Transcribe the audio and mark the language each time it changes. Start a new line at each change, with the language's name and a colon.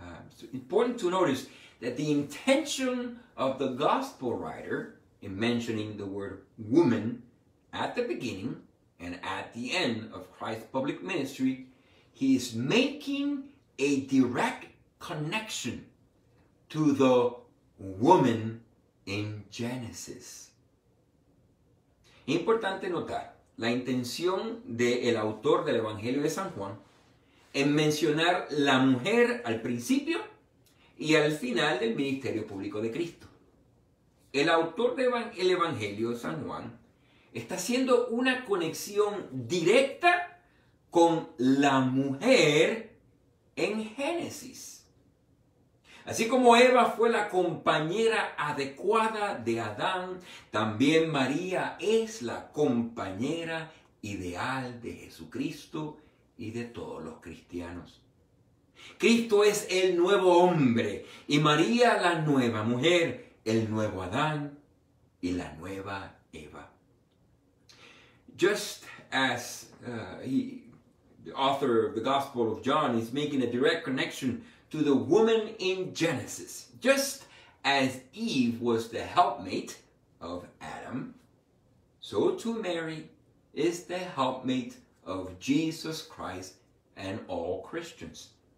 English: It's important to notice that the intention of the Gospel writer in mentioning the word woman at the beginning and at the end of Christ's public ministry, he is making a direct connection to the woman in Genesis.
Spanish: Importante notar la intención del autor del Evangelio de San Juan en mencionar la mujer al principio y al final del ministerio público de Cristo. El autor del Evangelio de San Juan está haciendo una conexión directa con la mujer en Génesis. Así como Eva fue la compañera adecuada de Adán, también María es la compañera ideal de Jesucristo y de todos los cristianos. Cristo es el nuevo hombre y María la nueva mujer, el nuevo Adán y la nueva Eva.
English: Just as the author of the Gospel of John is making a direct connection to the woman in Genesis, just as Eve was the helpmate of Adam, so too Mary is the helpmate of Jesus Christ and all Christians.